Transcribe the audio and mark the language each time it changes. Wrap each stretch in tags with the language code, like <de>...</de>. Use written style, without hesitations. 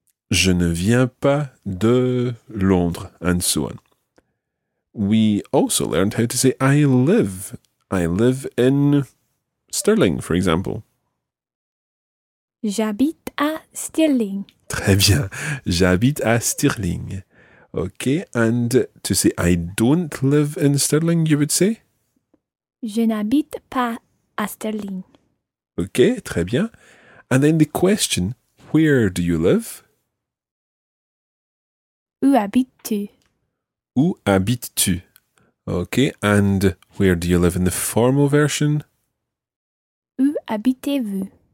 <fr>Je ne viens pas de Londres,</fr> <en>and so on. We also learned how to say, I live. I live in Stirling, for example.</en> <fr>J'habite à Stirling. Très bien. J'habite à Stirling.</fr> <en>Okay, and to say I don't live in Stirling, you would say?</en> <fr>Je n'habite pas à Stirling. Okay, très bien.</fr> <en>And then the question, where do you live?</en> <fr>Où habites-tu? Où habites-tu?</fr> <en>Okay, and where do you live in the formal version?</en> <fr>Où habitez-vous?</fr>